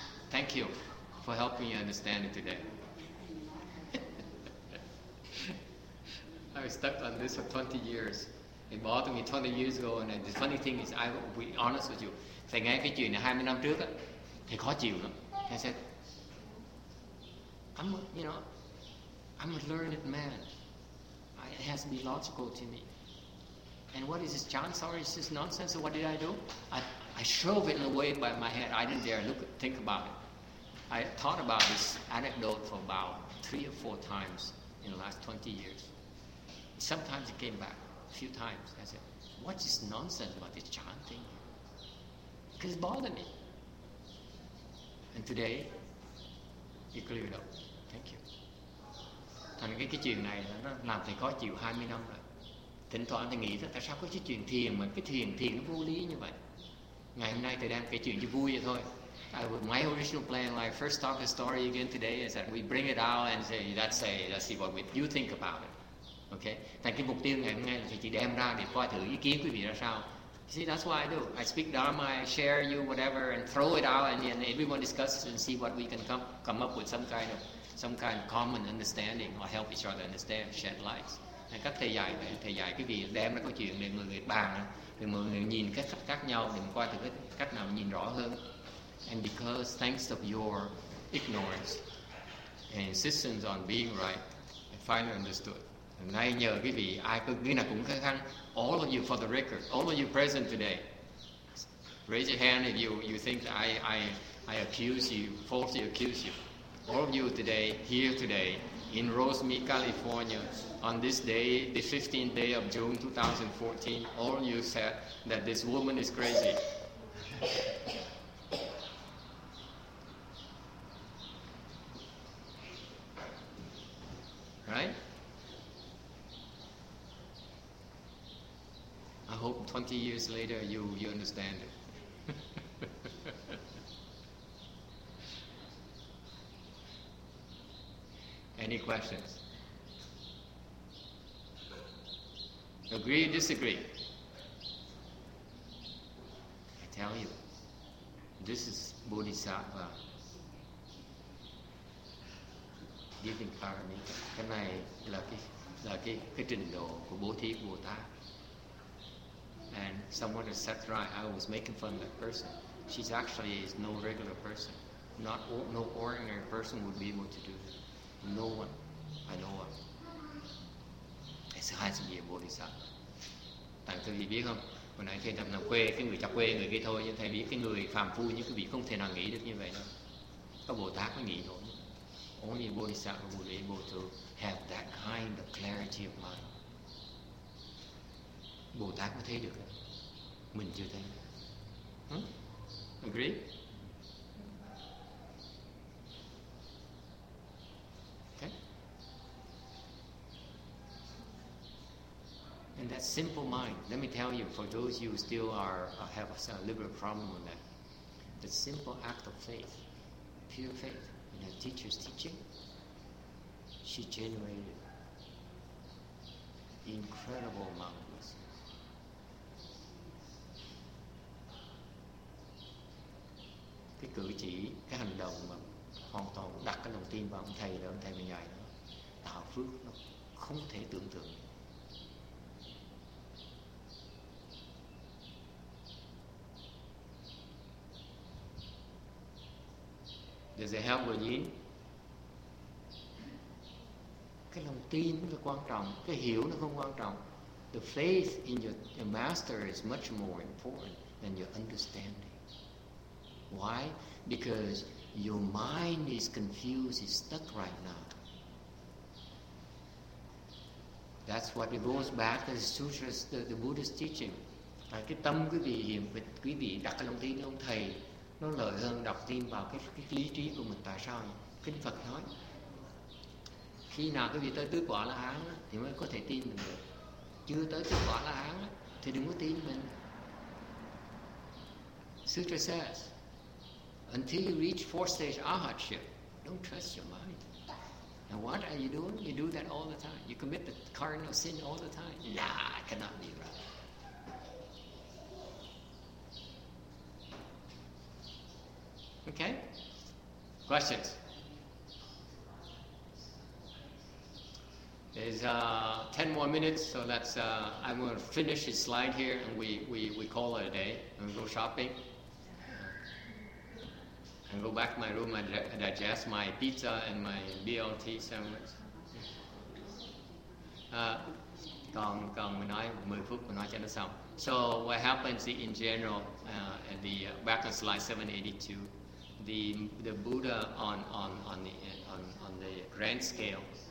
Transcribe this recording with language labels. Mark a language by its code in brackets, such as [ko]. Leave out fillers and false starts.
[en] Thank you for helping me understand it today. I was stuck on this for 20 years. It bothered me 20 years ago. And the funny thing is, I will be honest with you. [vi] Thầy nghe cái chuyện này 20 năm trước, thì khó chịu lắm. [en] Thầy said, I'm a learned man. It has to be logical to me. And what is this chant story? Is this nonsense? So what did I do? I shove it away by my head. I didn't dare think about it. I thought about this anecdote for about 3 or 4 times in the last 20 years. Sometimes it came back, a few times. I said, what's this nonsense about this chant thing? Because it bothered me. And today, it cleared up. Thank you. [vi] Thành cái chuyện này nó làm thầy khó chịu 20 năm rồi. Thỉnh thoảng thầy nghĩ là tại sao có cái chuyện thiền mà cái thiền nó vô lý như vậy. Ngày hôm nay thầy đang kể chuyện cho vui vậy thôi. [en] My original plan, like first talk a story again today, is that we bring it out and say, let's see what you think about it. Okay? [vi] Thành cái mục tiêu ngày hôm nay là thầy chỉ đem ra để coi thử ý kiến quý vị ra sao. [en] See, that's what I do. I speak Dharma, I share you whatever and throw it out and everyone discusses and see what we can come up with some kind of common understanding or help each other understand, shed lights. [vi] Hay cách thầy dạy vậy, thầy dạy cái gì đem ra câu chuyện để mọi người bàn, để mọi người nhìn cách khác nhau, để mình coi thử cách nào nhìn rõ hơn. [en] And because thanks of your ignorance and insistence on being right, I finally understood. [vi] Hôm nay nhờ quý vị, ai cứ nghĩ là cũng khó khăn. [en] All of you for the record, all of you present today. Raise your hand if you think that I accuse you, falsely accuse you. All of you today, here today, in Rosemead, California, on this day, the 15th day of June 2014, all you said that this woman is crazy. Right? I hope 20 years later you understand it. Any questions? Agree or disagree? I tell you, this is Bodhisattva giving parami. [vi] Cái này là cái trình độ của Bố Thí Bồ Tát. [en] And someone has said, right, I was making fun of that person. She's actually is no regular person. No ordinary person would be able to do that. No one. I know one. It's hard to be a bodhisattva. [vi] Tại thầy biết không? Hồi nãy thầy đang làm quê, cái người chọc quê, người kia thôi. Nhưng thầy biết cái người phàm phu như quý vị không thể nào nghĩ được như vậy đâu. Có Bồ Tát mới nghĩ nổi. [en] Only a bodhisattva would be able to have that kind of clarity of mind. [vi] Bồ Tát có thấy được, mình chưa thấy. [en] Huh? Agree? Okay. And that simple mind, let me tell you, for those of you who still have a liberal problem with that, the simple act of faith, pure faith, in a teacher's teaching, she generated incredible amount. [vi] Cái cử chỉ, cái hành động mà hoàn toàn đặt cái lòng tin vào ông thầy đó, ông thầy mới dạy đó, tạo phước nó không thể tưởng tượng. [en] Does it help with you? [vi] Cái lòng tin nó quan trọng, cái hiểu nó không quan trọng. [en] The faith in your master is much more important than your understanding. Why? Because your mind is confused, it's stuck right now. That's what it goes back to the sutras, the Buddhist teaching. [vi] Là cái tâm quý vị đặt cái lòng tin ông thầy, nó lợi hơn đọc tin vào cái lý trí của mình. Tại sao? Kinh Phật nói, khi nào quý vị tới tứ quả la hán thì mới có thể tin mình được. Chưa tới tứ quả la hán thì đừng có tin mình. [en] Sutra says, until you reach fourth stage arhatship, don't trust your mind. Now what are you doing? You do that all the time. You commit the cardinal sin all the time. Nah, I cannot be right. Okay? Questions? There's 10 more minutes, so that's I'm going to finish this slide here, and we call it a day and go shopping. And go back to my room and digest my pizza and my BLT sandwich. [vi] Còn mình nói 10 phút mình nói cho nó xong. [en] So what happens in general, at the back on slide 782, the Buddha on the grand scale.